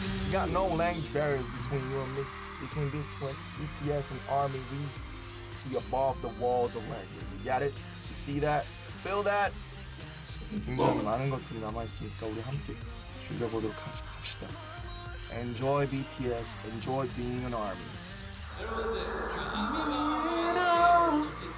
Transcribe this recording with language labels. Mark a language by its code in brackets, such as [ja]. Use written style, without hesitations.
[en] Got no language barrier between you and me. Between this twin, ETS and Army, we be above the walls of language. You got it? You see that? Feel that? [ko] 굉장히 많은 것들이 남아있으니까 우리 함께 즐겨보도록 같이 합시다. [en] Enjoy BTS, enjoy being an ARMY.